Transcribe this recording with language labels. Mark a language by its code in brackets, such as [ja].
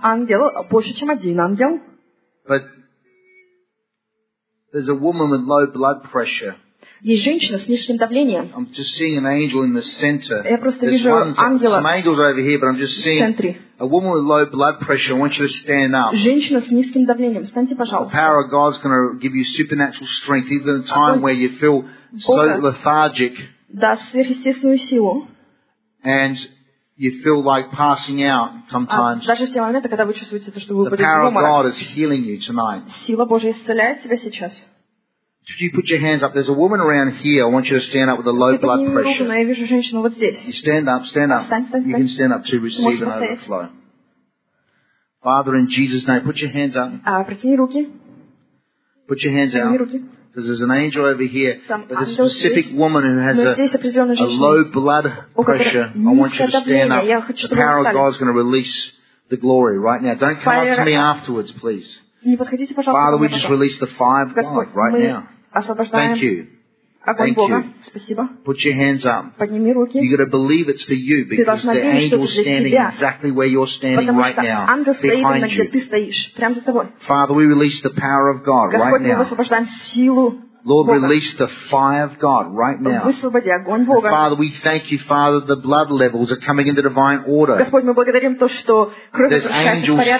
[ru] Ангел, больше чем один ангел. [en] But there's a woman with low blood pressure. [ru] Есть женщина с низким давлением. [en] I'm just seeing an angel in the center. [ru] Я просто вижу ангела. [en] Some angels over here, but I'm just seeing a woman with low blood pressure. I want you to stand up. [ru] Женщина с низким давлением, встаньте, пожалуйста. [en] The power of God's going to give you supernatural strength, even in a time where you feel so lethargic. [ru] Даст сверхъестественную силу. [en] And you feel like passing out sometimes. [ru] Даже в те моменты, когда вы чувствуете, что вы упадете в обморок. [en] The power of God is healing you tonight. [ru] Сила Божья исцеляет тебя сейчас. [en] Could you put your hands up? There's a woman around here. I want you to stand up with a low blood pressure. [ru] Я вижу женщину вот здесь. [en] You stand up, stand up. You can stand up to receive an overflow. Father, in Jesus' name, put your hands up. [ru] Протяни руки. [en] Put your hands out. Because there's an angel over here, but a specific [ru] здесь, [en] woman who has a low blood pressure. I want you to stand up. [ru] Хочу, [en] the power of God is going to release the glory right now. Don't come up to me afterwards, please. Father, we just release the fire of God right now. Thank you. Thank you. [ru] Спасибо. [en] Put your hands up. [ru] Подними руки. [en] You've got to believe it's for you because the angel is standing exactly where you're standing [ru] потому [en] right now, behind you. Father, we release the power of God [ru] Господь, [en] right now. [ru] Мы высвобождаем силу [en] Lord, release the fire of God right now. [ru] Высвободи огонь Бога. [en] Father, we thank you, Father, the blood levels are coming into divine order. [ru] Господь, мы благодарим то, что кровь возвращается в порядок.